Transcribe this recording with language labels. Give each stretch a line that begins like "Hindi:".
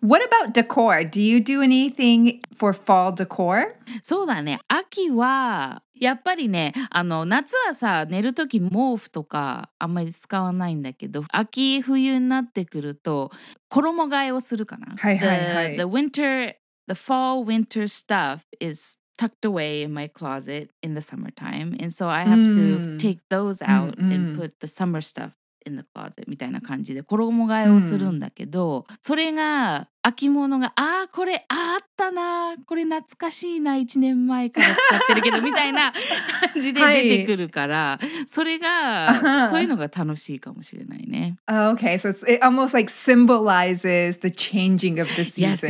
English: What about decor? Do you do anything for fall decor?
Japanese: そうだね。秋はやっぱりね、夏はさ、寝るとき毛布とかあんまり使わないんだけど、秋冬になってくると衣替えをするかな。はいはいはい。
English: The fall winter stuff is tucked away in my closet in the summertime, and so I have to take those out and put the summer stuff. in the closet
Japanese: みたいな感じで衣替えをするんだけど、それが秋物が、ああこれあったな、これ懐かしいな、1年前から使ってるけどみたいな感じで出てくるから、はい、それが、uh-huh. そういうのが楽しいかもしれないね。
English: Okay, so it almost like symbolizes the changing of the season.